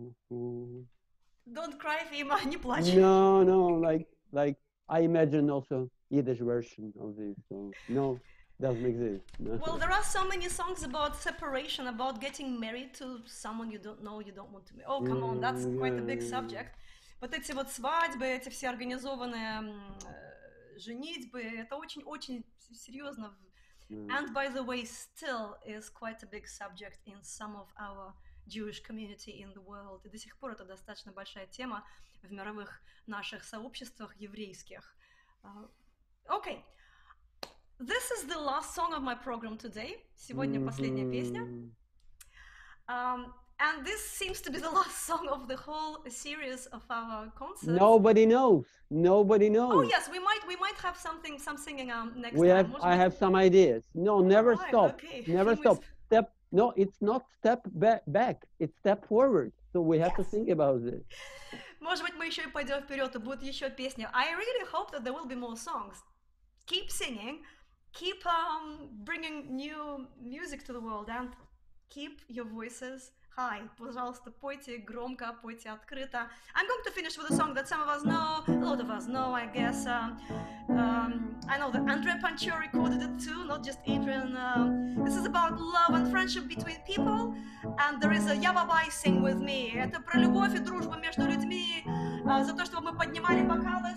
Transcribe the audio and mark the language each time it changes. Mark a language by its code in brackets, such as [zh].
[en] Don't cry, Fima, [ru] не плачь. [en] No, no, like I imagine also Yiddish version of this song. No, doesn't exist. No. Well, there are so many songs about separation, about getting married to someone you don't know, you don't want to marry. Oh, come on, that's quite a big subject. [ru] Вот эти вот свадьбы, эти все организованные женитьбы, это очень-очень серьезно. [en] And by the way, still is quite a big subject in some of our Jewish community in the world. [ru] И до сих пор это достаточно большая тема в мировых наших сообществах еврейских. [en] Okay. This is the last song of my program today. [ru] Сегодня последняя песня. [en] And this seems to be the last song of the whole series of our concerts. Nobody knows. Nobody knows. Oh yes, we might have some singing next we time. I have some ideas. No, never stop. Okay. Never stop. Step. No, it's not step back, it's step forward. So we have to think about this. [ru] Может быть, мы еще и пойдем вперед, и будет еще песня. [en] I really hope that there will be more songs. Keep singing, keep bringing new music to the world, and keep your voices high. [ru] Пожалуйста, пойте громко, пойте открыто. [en] I'm going to finish with a song that some of us know, a lot of us know, I guess. I know that Andrea Pancho recorded it too, not just Adrian. This is about love and friendship between people. And there is a Yababai sing with me. [ru] Это про любовь и дружбу между людьми. За то, что мы поднимали бокалы.